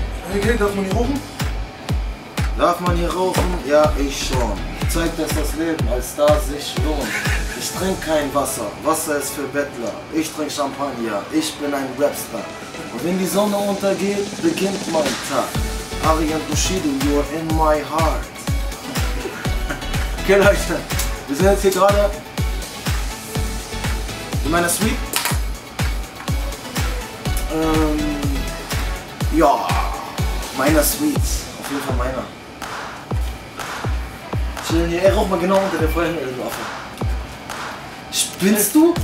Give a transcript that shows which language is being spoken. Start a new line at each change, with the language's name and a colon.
German: Okay, darf man hier rufen? Darf man hier rauchen? Ja, ich schon. Zeigt, dass das Leben als Star sich lohnt. Ich trinke kein Wasser. Wasser ist für Bettler. Ich trinke Champagner. Ich bin ein Rapstar. Und wenn die Sonne untergeht, beginnt mein Tag.
English: Ariane Bushido, you are in my heart.
German: Okay, Leute. Wir sind jetzt hier gerade in meiner Suite. Ja. Meiner Suite. Auf jeden Fall meiner. Ey, rauch mal genau unter der Feuerhölle, du Affe. Spinnst du?